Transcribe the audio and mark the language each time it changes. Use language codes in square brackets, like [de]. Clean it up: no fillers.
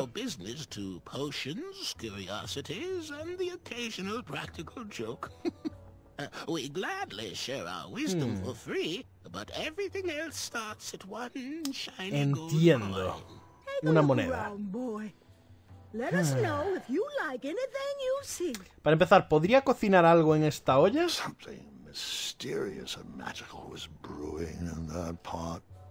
[en] No business to potions, curiosities, and the occasional practical joke. We gladly share our wisdom for free, but everything else starts at one shiny [es] Entiendo. [en] Gold coin. [es] Una moneda. [en] Let us know if you like anything you see. [es] Para empezar, ¿podría cocinar algo en esta olla? [en] Something mysterious and magical was brewing in that pot.